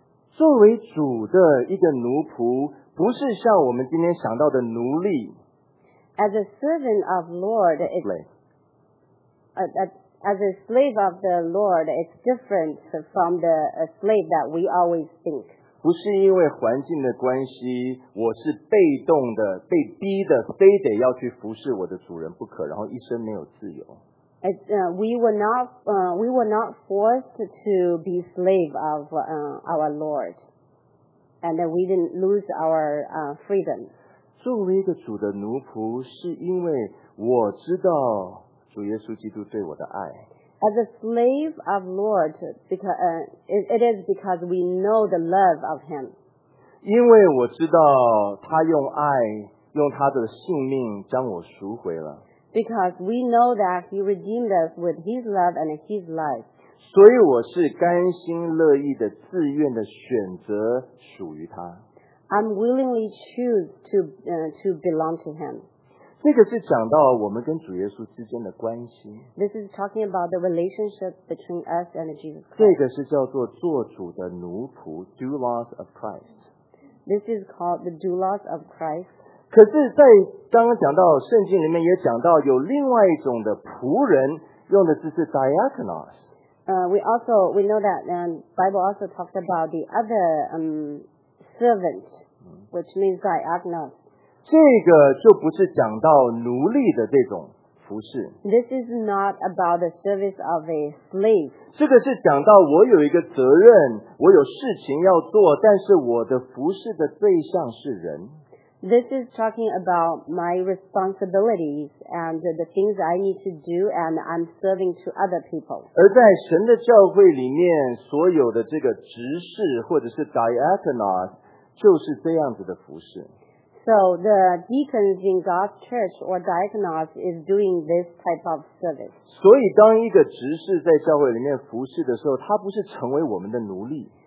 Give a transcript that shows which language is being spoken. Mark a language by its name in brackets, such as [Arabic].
[Chinese] 作为主的一个奴仆，不是像我们今天想到的奴隶。 [English] As a servant of Lord, as a slave of the Lord, it's different from the slave that we always think. [Chinese] 不是因为环境的关系，我是被动的、被逼的，非得要去服侍我的主人不可，然后一生没有自由。 [English] We were not forced to be slave of our Lord, and we didn't lose our freedom. [Chinese] 作为一个主的奴仆，是因为我知道主耶稣基督对我的爱。 [English] As a slave of Lord, because it is because we know the love of Him. [Chinese] 因为我知道他用爱，用他的性命将我赎回了。 [English] Because we know that He redeemed us with His love and His life. [Chinese] 所以我是甘心乐意的、自愿的选择属于他。 [English] I'm willingly choose to belong to Him. [Chinese] 这个是讲到我们跟主耶稣之间的关系。 [English] This is talking about the relationship between us and Jesus Christ. [Chinese] 这个是叫做做主的奴仆 , [English] doulos of Christ. This is called the doulos of Christ. [Chinese] 可是在刚刚讲到圣经里面也讲到有另外一种的仆人用的字是 diakonos。 [English] We know that the Bible also talks about the other servant, which means diakonos. [Chinese] 这个就不是讲到奴隶的这种服侍。 [English] This is not about the service of a slave. [Chinese] 这个是讲到我有一个责任，我有事情要做，但是我的服侍的对象是人。 [English] This is talking about my responsibilities and the things I need to do and I'm serving to other people. [Chinese] 而在神的教会里面所有的这个执事或者是 diakonos 就是这样子的服事。 [English] So the deacons in God's church or diakonos is doing this type of service. [Chinese] 所以当一个执事在教会里面服事的时候，他不是成为我们的奴隶。